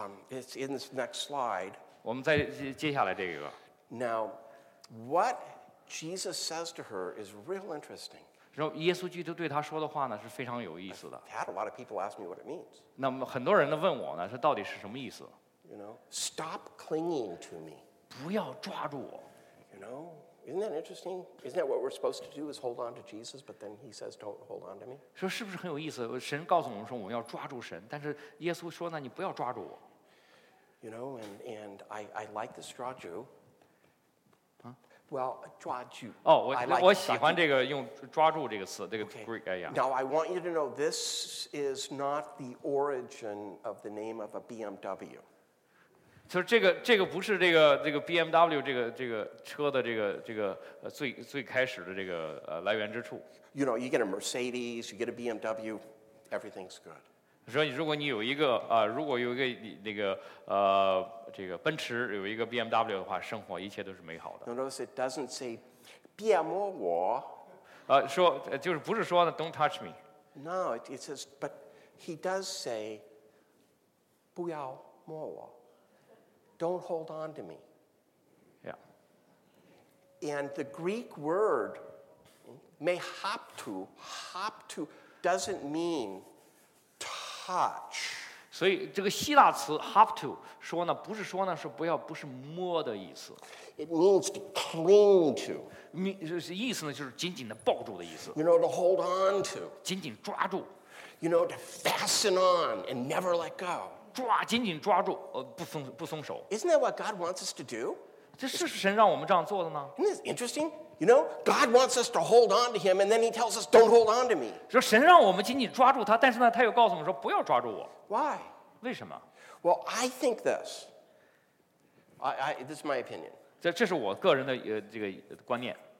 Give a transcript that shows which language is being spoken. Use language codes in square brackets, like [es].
[en] It's in this next slide. [zh] 我们再接下来这个。 [en] Now, what Jesus says to her is real interesting. [zh] 然后耶稣基督对她说的话呢是非常有意思的。 [en] I've had a lot of people ask me what it means. [zh] 那么很多人呢问我呢，说到底是什么意思 [en] ？You know, stop clinging to me. [zh] 不要抓住我。 [en] You know. Isn't that interesting? Isn't that what we're supposed to do? Is hold on to Jesus, but then He says, "Don't hold on to me." [zh] 说是不是很有意思？神告诉我们说我们要抓住神，但是耶稣说呢，你不要抓住我。 [en] You know, and I like this 抓住。Well, 抓住。 [zh] 哦，我喜欢这个用抓住这个词，这个 Greek。哎呀。 [en] Now I want you to know this is not the origin of the name of a BMW. [zh] 就是这个不是这个 BMW 这个车的这个最开始的这个来源之处。 [en] You know, you get a Mercedes, you get a BMW, everything's good. [zh] 所以如果你有一个如果有一个那个这个奔驰有一个 BMW 的话，生活一切都是美好的。 [en] Notice it doesn't say BMW 我。 [zh] 说就是不是说呢 ， [en] Don't touch me. No, it says, but he does say [zh] 不要摸我。 [en] Don't hold on to me. Yeah. And the Greek word mehaptu doesn't mean touch. [zh] 所以这个希腊词 haptu 说呢，不是说呢是不要，不是摸的意思。 [en] It means to cling to. [zh] 意思呢就是紧紧的抱住的意思。 [en] You know, to hold on to. [zh] 紧紧抓住。 [en] You know, to fasten on and never let go. [zh] 紧紧抓住，不松手。 [en] Isn't that what God wants us to do? [zh] 这是神让我们这样做的吗 [en] ？Isn't this interesting? You know, God wants us to hold on to Him, and then He tells us, "Don't hold on to me." [zh] 说神让我们紧紧抓住他，但是呢，他又告诉我们说不要抓住我。 [en] Why? [zh] 为什么 [en] ？Well, I think this. This is my opinion. [zh] 这是我个人的这个观念。